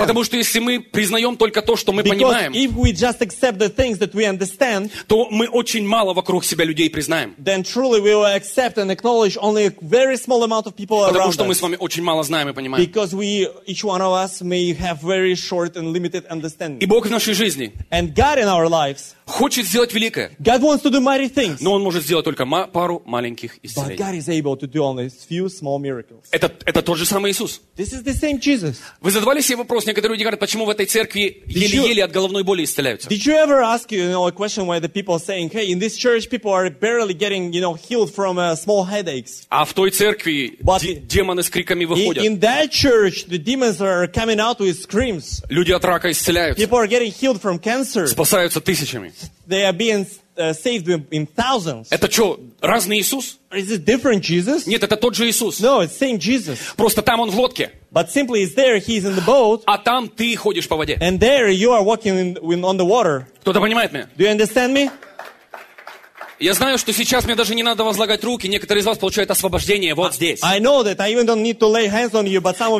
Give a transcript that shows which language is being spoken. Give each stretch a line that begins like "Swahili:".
Russian: Потому что если мы признаем только то, что мы
English: Because
Russian: понимаем,
English: if we just accept the things that we understand,
Russian: то мы очень мало вокруг себя людей признаем.
English: Then truly we will accept and acknowledge only a very small amount of people around us.
Russian: Потому что мы с вами очень мало знаем и понимаем.
English: Because we, each one of us may have very short and limited understanding.
Russian: И Бог в нашей жизни
English: and God in our lives,
Russian: хочет сделать великое.
English: God wants to do mighty things,
Russian: но Он может сделать только пару маленьких исцелений.
English: But God is able to do only a few small miracles.
Russian: Это тот же самый Иисус.
English: This is the same Jesus.
Russian: Вы задавали себе вопрос, некоторые люди говорят, почему в этой церкви еле-еле от головной боли исцеляются?
English: Did you ever ask you know a question where the people are saying, hey, in this church people are barely getting you know healed from small headaches?
Russian: А в той церкви демоны с криками выходят.
English: In that church the demons are coming out with screams.
Russian: Люди от рака исцеляются.
English: People are getting healed from cancer.
Russian: Спасаются тысячами.
English: They are being saved in thousands.
Russian: Это что, разный Иисус?
English: Is it different Jesus?
Russian: Нет, это тот же Иисус.
English: No, it's same Jesus.
Russian: Просто там он в лодке.
English: But simply is there, he is in the boat.
Russian: А там ты ходишь по воде.
English: And there you are walking on the water.
Russian: Кто-то понимает меня?
English: Do you understand me?
Russian: Я знаю, что сейчас мне даже не надо возлагать руки. Некоторые из вас получают освобождение вот здесь.
English: I know that I even don't need to lay hands on you, but some of